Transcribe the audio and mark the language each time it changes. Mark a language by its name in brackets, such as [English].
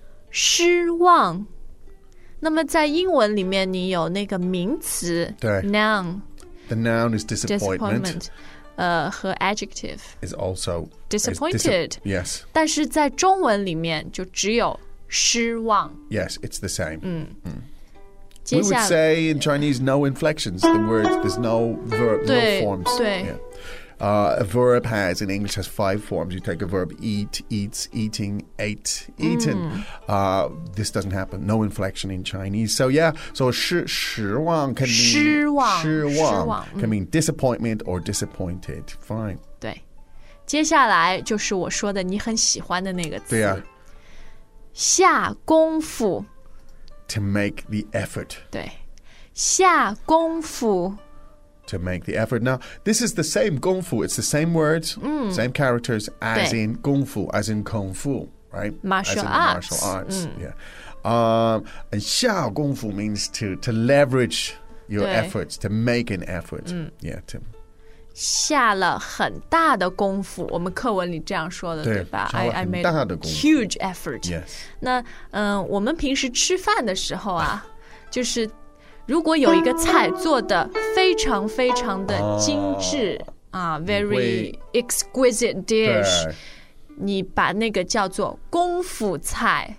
[Chinese] 失望那么在英文里面你有那个名词对 [English] Noun The noun is disappointment [Chinese] 和 [English] adjective Is also Disappointed Yes [Chinese] 但是在中文里面就只有失望 [English] Yes, it's the same 嗯嗯 We would say in Chinese no inflections The words, there's no verb, [Chinese] 对, [English] no forms [Chinese] 对、 [English] yeah. A verb has, in English, has five forms. You take a verb, eat, eats, eating, ate, eaten.、 Mm. This doesn't happen. No inflection in Chinese. So, yeah. So, 失望 can mean [Chinese] 失望 [English] can mean disappointment or disappointed. Fine. [Chinese] 对。接下来就是我说的你很喜欢的那个词。对啊。下功夫。 [English] To make the effort. [Chinese] 对。下功夫。 [English] To make the effort. Now, this is the same 功夫.It's the same words,、嗯、 same characters as in 功夫, as in kung fu, right? Martial arts.、嗯、 yeah. And 下功夫 means to leverage your efforts, to make an effort.、嗯、 yeah, Tim. [Chinese] 下了很大的功夫我们课文里这样说的对吧 [English] I made a huge effort. Yes. [Chinese] 那、我们平时吃饭的时候啊就是如果有一个菜做的非常非常的精致、 [English] very exquisite dish [Chinese] 你把那个叫做功夫菜、